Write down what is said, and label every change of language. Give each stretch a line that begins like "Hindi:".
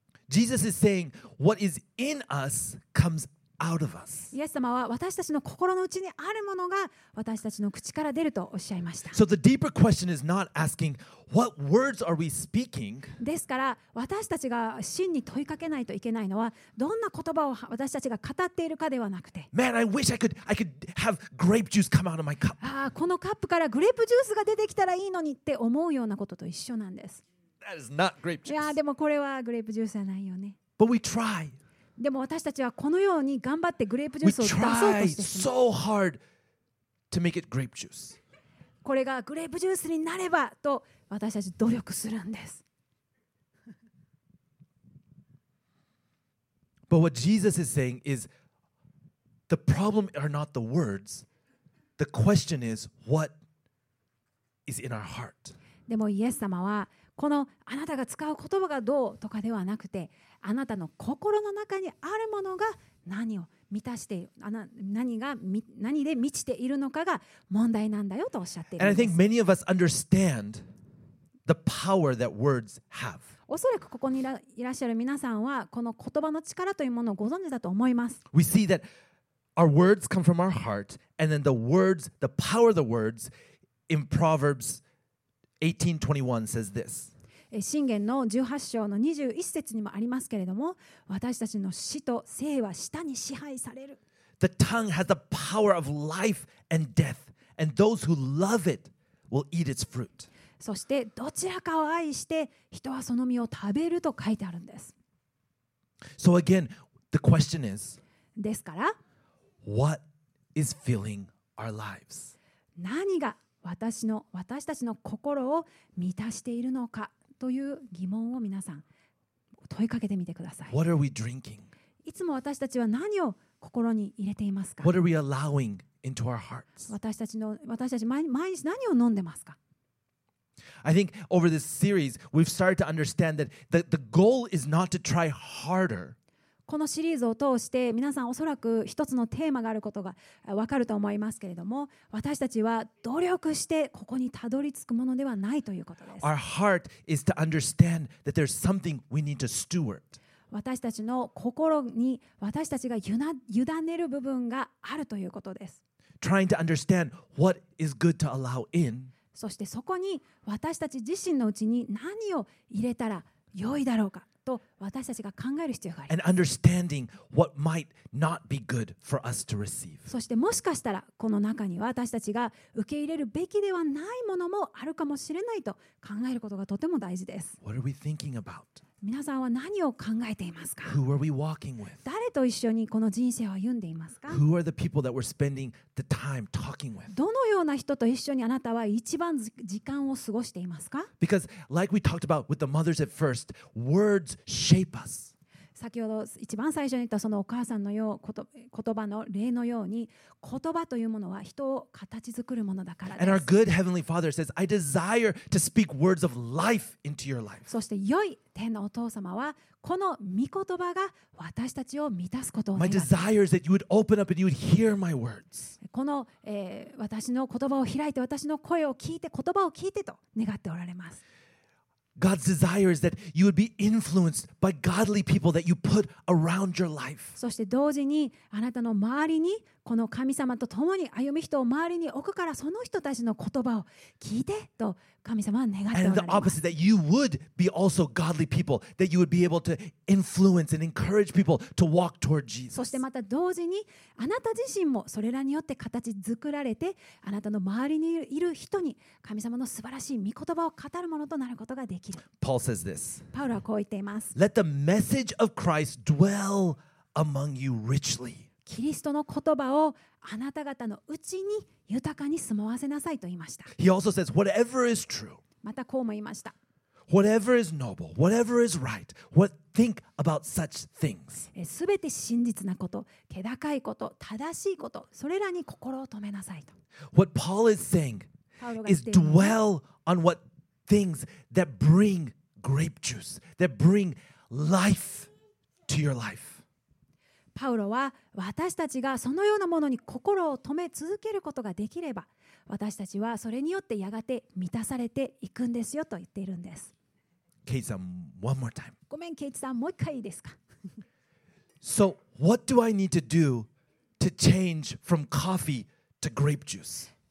English: Jesus is saying, what is in us comes out
Japanese: イエス様は私たちの心の内にあるものが私たちの口から出るとおっしゃいました。
English: So the deeper question is not asking what words are we speaking.
Japanese: ですから私たちが真に問いかけないといけないのは、どんな言葉を私たちが語っているかではなくて。
English: Man, I wish I could have grape juice come out of my cup.
Japanese: ああ、このカップからグレープジュースが出てきたらいいのにって思うようなことと一緒なんです。
English: That is not grape juice.
Japanese: いや、でもこれはグレープジュースじゃないよね。
English: But we try.
Japanese: でも私たちはこのように頑張ってグレープジュースを出そうとしてしまう。
English: We try so hard to make it grape juice.
Japanese: これがグレープジュースになればと私たち努力するんです。
English: But what Jesus is saying is the problem are not the words. The question is what is in our heart.
Japanese: でもイエス様はこのあなたが使う言葉がどうとかではなくて、あなたの心の中にあるものが何を満たして、何で満ちているのかが問題なんだよとおっしゃっているんです。
English: And I think many of us understand the power that words have.
Japanese: おそらくここにいらっしゃる皆さんはこの言葉の力というものをご存知だと思います。
English: We see that our words come from our heart, and then the words, the power of the words in Proverbs 18:21 says this.
Japanese: 箴言の18章の21節にもありますけれども、私たちの舌と精は舌に支配される。
English: The tongue has the power of life and death, and those who love it will eat its fruit.
Japanese: そしてどちらかを愛して人はその実を食べると書いてあるんです。
English: So again, the question is,
Japanese: ですから
English: What is filling our lives?
Japanese: 何が私たちの心を満たしているのかという疑問を皆さん問いかけてみてください。
English: What are we drinking?
Japanese: いつも私たちは何を心に入れていますか？
English: What are we allowing into our hearts?
Japanese: 私たち毎日何を飲んでますか？
English: I think over this series we've started to understand that the goal is not to try harder.
Japanese: このシリーズを通して皆さんおそらく一つのテーマがあることがわかると思いますけれども、私たちは努力してここにたどり着くものではないということです。
English: Our heart is to understand that there's something we need to steward.
Japanese: 私たちの心に私たちが委ねる部分があるということです。
English: Trying to understand what is good to allow in.
Japanese: そしてそこに私たち自身のうちに何を入れたら良いだろうかと私たちが考える必要があります
English: And understanding what might not be good for us to receive.
Japanese: そしてもしかしたらこの中には私たちが受け入れるべきではないものもあるかもしれないと考えることがとても大事です。
English: What are we thinking about?
Japanese: 皆さんは何を考えていますか?
English: Who are we walking with?
Japanese: 誰と一緒にこの人生を歩んでいますか?
English: Who are the people that we're spending the time talking with?
Japanese: どのような人と一緒にあなたは一番時間を過ごしていますか?
English: Because like we talked about with the mothers at first, words shape us.
Japanese: 先ほど一番最初に言ったそのお母さんのよう言葉の例のように言葉というものは人を形作るものだからです。
English: And our good heavenly Father says, I desire to speak words of life into your life.
Japanese: そして良い天のお父様はこの御言葉が私たちを満たすことを願います。
English: My desire is that you would open up and you would hear my words.
Japanese: この、私の言葉を開いて私の声を聞いて言葉を聞いてと願っておられます。
English: God's desire is that you would be influenced by godly people that you put around your life.
Japanese: そして同時にあなたの周りにこの神様と共に歩む人を周りに置くからその人たちの言葉を聞いてと神様は願っておられます。
English: And the opposite, that you would be also godly people, that you would be able to influence and encourage people to walk toward Jesus.
Japanese: そしてまた同時にあなた自身もそれらによって形作られてあなたの周りにいる人に神様の素晴らしい御言葉を語るものとなることができる。
English: Paul says this.
Japanese: パウロはこう言っています。
English: Let the message of Christ dwell among you richly.
Japanese: キリストの言葉をあなた方のうちに豊かに住まわせなさいと言いました。
English: He also says, whatever is true,
Japanese: またこうも言いました。
English: Whatever is noble, whatever is right, think about such things.
Japanese: すべて真実なこと、気高いこと、正しいこと、それらに心を止めなさいと。
English: What Paul is saying is dwell on what things that bring grape juice, that bring life to your life.
Japanese: パウロは私たちがそのようなものに心を止め続けることができれば私たちはそれによってやがて満たされていくんですよと言っているんです。
English: ケイチさん、one more time.
Japanese: ごめんケイチさん、もう一回いいですか。
English: So what do I need to do to change from coffee to grape juice?